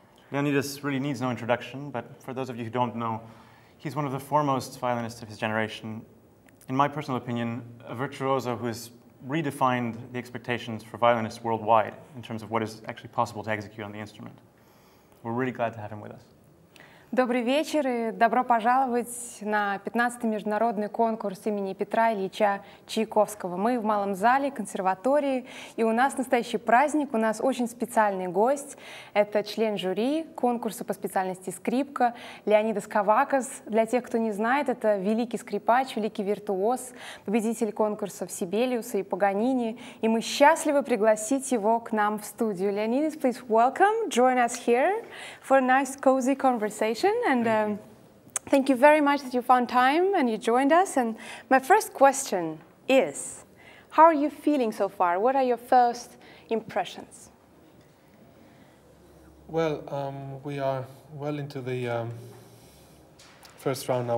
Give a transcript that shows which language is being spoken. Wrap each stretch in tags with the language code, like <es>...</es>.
<en>Leonidas really needs no introduction, but for those of you who don't know, he's one of the foremost violinists of his generation. In my personal opinion, a virtuoso who has redefined the expectations for violinists worldwide in terms of what is actually possible to execute on the instrument. We're really glad to have him with us.</en> <ru>Добрый вечер и добро пожаловать на 15-й международный конкурс имени Петра Ильича Чайковского. Мы в Малом зале консерватории, и у нас настоящий праздник. У нас очень специальный гость. Это член жюри конкурса по специальности скрипка Леонидас Кавакос. Для тех, кто не знает, это великий скрипач, великий виртуоз, победитель конкурсов Сибелиуса и Паганини. И мы счастливы пригласить его к нам в студию.</ru> <en>Леонидас, please welcome. Join us here for a nice cozy conversation. And thank you very much that you found time and you joined us. And my first question is, how are you feeling so far? What are your first impressions? Well, we are well into the first round now.</en>